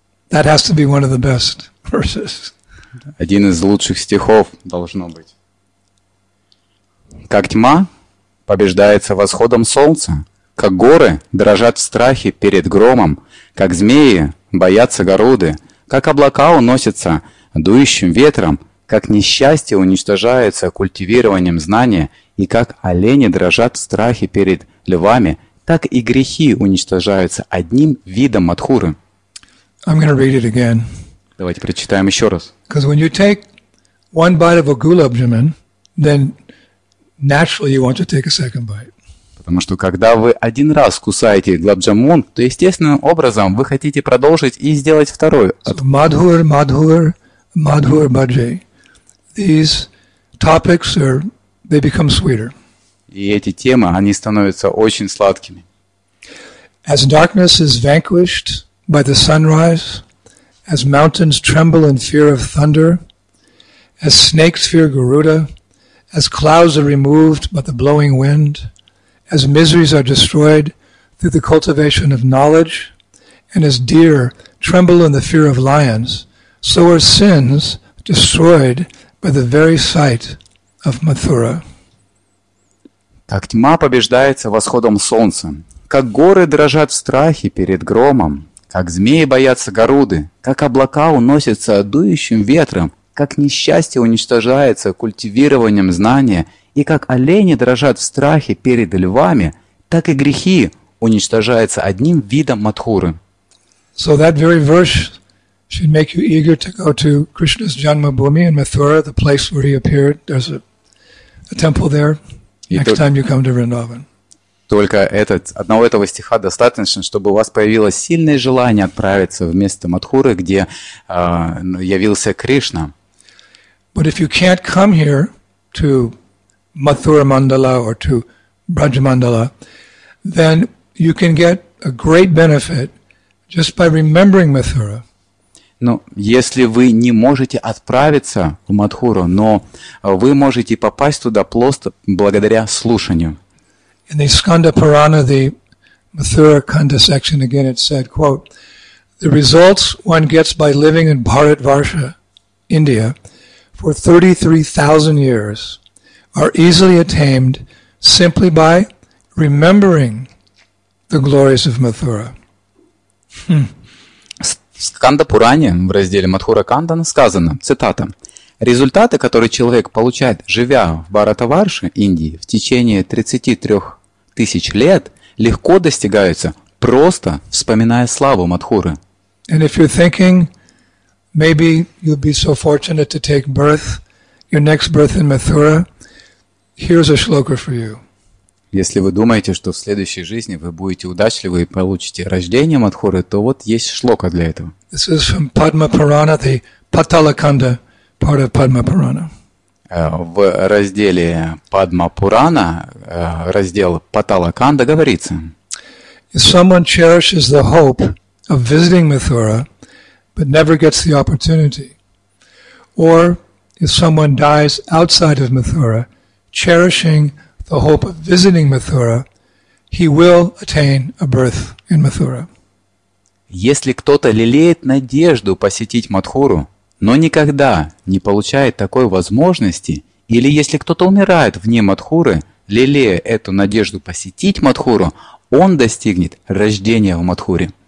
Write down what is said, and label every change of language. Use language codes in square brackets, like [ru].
[en] That has to be one of the best verses. [ru] Один из лучших стихов должно быть. Как тьма побеждается восходом солнца, как горы дрожат в страхе перед громом, как змеи боятся Гаруды, как облака уносятся дующим ветром, как несчастье уничтожается культивированием знания, и как олени дрожат в страхе перед львами, так и грехи уничтожаются одним видом Матхуры. [en] I'm going to read it again. [ru] Давайте прочитаем еще раз. [en] Because when you take one bite of a gulab jamun, then naturally you want to take a second bite. [ru] Потому что когда вы один раз кусаете глобджамун, то естественным образом вы хотите продолжить и сделать второй. [sa] Madhur, madhur, madhur bhaje. [en] These topics are they become sweeter. [ru] И эти темы, они становятся очень сладкими. [en] As darkness is vanquished by the sunrise, as mountains tremble in fear of thunder, as snakes fear Garuda, as clouds are removed by the blowing wind, as miseries are destroyed through the cultivation of knowledge, and as deer tremble in the fear of lions, so are sins destroyed by the very sight of Mathura. [ru] Как тьма побеждается восходом солнца, как горы дрожат в страхе перед громом, как змеи боятся Гаруды, как облака уносятся дующим ветром, как несчастье уничтожается культивированием знания, и как олени дрожат в страхе перед львами, так и грехи уничтожаются одним видом мадхуры. [en] So that very verse should make you eager to go to Krishna's Janmabhoomi in Mathura, the place where he appeared. There's a temple there. Next time you come to Vrindavan. [ru] Только одного этого стиха достаточно, чтобы у вас появилось сильное желание отправиться в место Мадхуры, где явился Кришна. [en] But if you can't come here to Mathura Mandala or to Braj Mandala, then you can get a great benefit just by remembering Mathura. [ru] Ну, если вы не можете отправиться в Мадхуру, но вы можете попасть туда просто благодаря слушанию. [en] In the Skanda Purana, the Mathura Kanda section, again it said, quote, "The results one gets by living in Bharatvarsha, India, for 33,000 years are easily attained simply by remembering the glories of Mathura." [ru] Skanda Purana, в разделе Мадхура Канда, сказано, цитата, "Результаты, которые человек получает, живя в Бхаратварше, Индии, в течение 33 тысяч лет легко достигаются, просто вспоминая славу Мадхуры. [en] And if you're thinking, maybe you'll be so fortunate to take birth, your next birth in Mathura, here's a shloka for you. [ru] Если вы думаете, что в следующей жизни вы будете удачливы и получите рождение Мадхуры, то вот есть шлока для этого. [en] This is from Padma Purana, the Patala Kanda, part of Padma Purana. [ru] В разделе Падма Пурана, раздел Патала Канда, говорится. [en] If someone cherishes the hope of visiting Mathura, but never gets the opportunity, or if someone dies outside of Mathura, cherishing the hope of visiting Mathura, he will attain a birth in Mathura. [ru] Если кто-то лелеет надежду посетить Мадхуру, но никогда не получает такой возможности, или если кто-то умирает вне Мадхуры, лелея эту надежду посетить Мадхуру, он достигнет рождения в Мадхуре.